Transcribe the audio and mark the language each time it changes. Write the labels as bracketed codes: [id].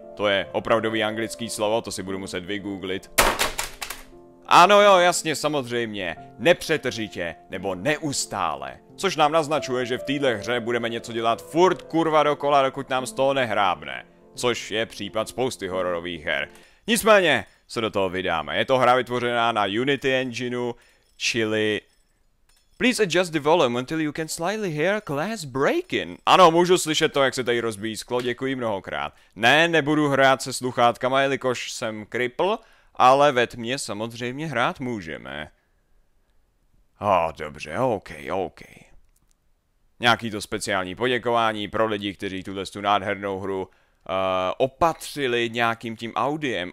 [cs] To je opravdový anglický slovo, to si budu muset vygooglit. Ano jo, jasně, samozřejmě, nepřetržitě, nebo neustále. Což nám naznačuje, že v téhle hře budeme něco dělat furt kurva dokola, dokud nám z toho nehrábne. Což je případ spousty hororových her. Nicméně se do toho vydáme. Je to hra vytvořená na Unity engineu, čili... [en] Please adjust the volume until you can slightly hear glass breaking. [cs] Ano, můžu slyšet to, jak se tady rozbíjí sklo, děkuji mnohokrát. Ne, nebudu hrát se sluchátkama, jelikož jsem cripple. Ale ve tmě samozřejmě hrát můžeme. A oh, dobře, OK. Nějaký to speciální poděkování pro lidi, kteří tuhle tu nádhernou hru opatřili nějakým tím audiem.